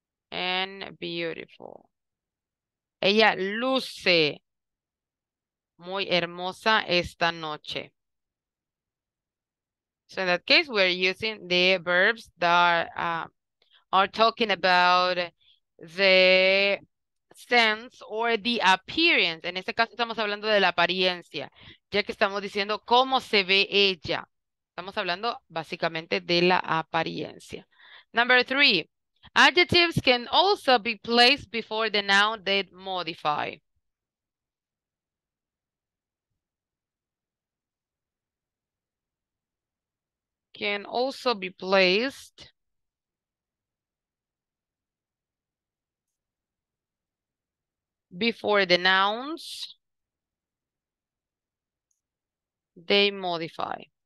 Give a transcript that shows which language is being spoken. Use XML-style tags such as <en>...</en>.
<en>And beautiful.</en> <es>Ella luce muy hermosa esta noche.</es> <en>So in that case, we're using the verbs that are talking about the sense or the appearance.</en> <es>En este caso estamos hablando de la apariencia, ya que estamos diciendo cómo se ve ella. Estamos hablando básicamente de la apariencia.</es> <en>Number three. Adjectives can also be placed before the noun they modify. Can also be placed before the nouns they modify.</en>